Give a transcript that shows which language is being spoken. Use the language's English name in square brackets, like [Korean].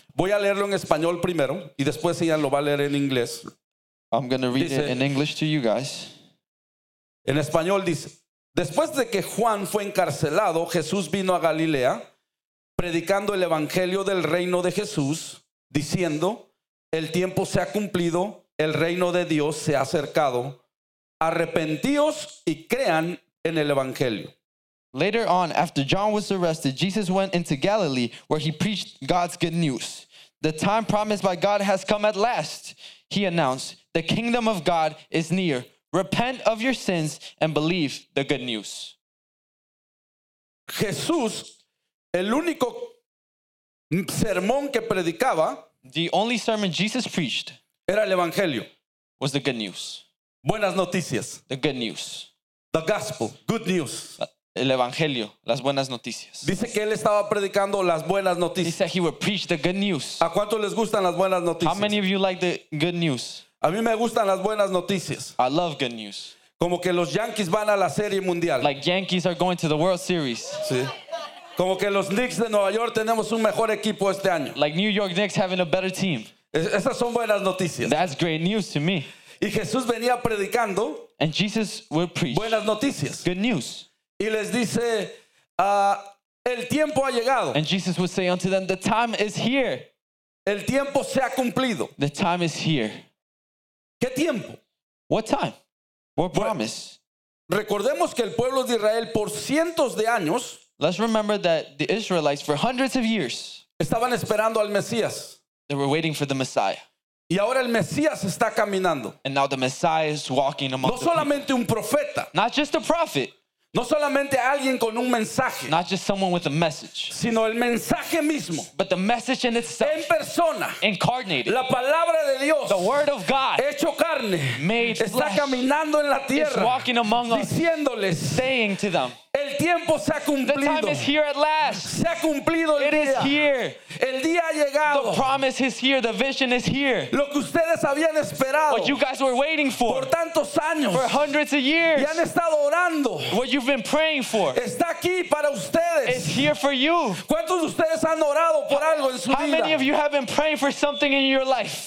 [Spanish] Voy a leerlo en español primero y después ella lo va a leer en inglés. [English] I'm going to read it in English to you guys. [Spanish] En español dice, después de que Juan fue encarcelado, Jesús vino a Galilea predicando el evangelio del reino de Jesús, diciendo, el tiempo se ha cumplido, el reino de Dios se ha acercado. Arrepentíos y crean en el evangelio. [English] Later on, after John was arrested, Jesus went into Galilee where he preached God's good news. The time promised by God has come at last, he announced. The kingdom of God is near. Repent of your sins and believe the good news. [Spanish] Jesús, el único sermón que predicaba, [English] the only sermon Jesus preached, [Spanish] era el evangelio, [English] was the good news. [Spanish] Buenas noticias. [English] The good news. The gospel, good news. [Spanish] El evangelio, las buenas noticias. Dice que él estaba predicando las buenas noticias. [English] He said he would preach the good news. [Spanish] ¿A cuánto les gustan las buenas noticias? [English] How many of you like the good news? [Spanish] A mí me gustan las buenas noticias. [English] I love good news. [Spanish] Como que los Yankees van a la Serie Mundial. [English] Like Yankees are going to the World Series. [Spanish] Sí. Como que los Knicks de Nueva York tenemos un mejor equipo este año. [English] Like New York Knicks having a better team. [Spanish] Esas son buenas noticias. [English] That's great news to me. [Spanish] Y Jesús venía predicando. [English] And Jesus would preach. [Spanish] Buenas noticias. [English] Good news. [Spanish] Y les dice, el tiempo ha llegado. [English] And Jesus would say unto them, the time is here. [Spanish] El tiempo se ha cumplido. [English] The time is here. [Spanish] ¿Qué tiempo? [English] What time? What promise? [Spanish] Recordemos que el pueblo de Israel por cientos de años, [English] let's remember that the Israelites for hundreds of years, [Spanish] estaban esperando al Mesías. [English] They were waiting for the Messiah. [Spanish] Y ahora el Mesías está caminando. [English] And now the Messiah is walking among them. [Spanish] No solamente un profeta. [English] Not just a prophet. [Spanish] No solamente alguien con un mensaje, [English] not just someone with a message, [Spanish] sino el mensaje mismo, [English] but the message in itself, [Spanish] en persona, [English] incarnated, [Spanish] la palabra de Dios, [English] the word of God, [Spanish] hecho carne, [English] made [Spanish] está [English] flesh, [Spanish] caminando en la tierra, [English] is walking among us, [Spanish] diciéndoles, [English] saying to them, [Spanish] el tiempo se ha cumplido, [English] the time is here at last, [Spanish] se ha cumplido el [English] it [Spanish] día, [English] is here, [Spanish] el día ha llegado, [English] the promise is here, the vision is here, [Spanish] lo que ustedes habían esperado, [English] what you guys were waiting for, [Spanish] por tantos años, [English] for hundreds of years, [Spanish] y han estado orando, [English] what you've been praying for, [Spanish] está aquí para ustedes, [English] it's here for you. [Spanish] ¿Cuántos de ustedes han orado por algo en su [English] how [Spanish] vida? [English] Many of you have been praying for something in your life,